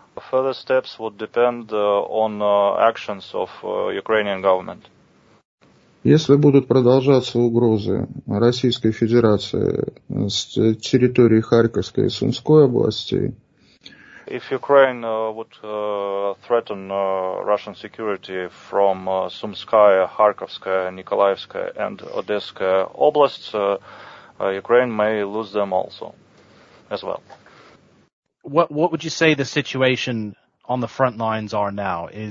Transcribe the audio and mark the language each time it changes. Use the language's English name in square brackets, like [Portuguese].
[English] Further steps would depend on actions of Ukrainian government. [Russian] Если будут продолжаться угрозы Российской Федерации с территории Харьковской и Сумской областей, [English] if Ukraine would threaten Russian security from Sumskaya, Kharkovskaya, Nikolaevskaya, and Odessa oblasts, Ukraine may lose them also, as well. What would you say the situation on the front lines are now?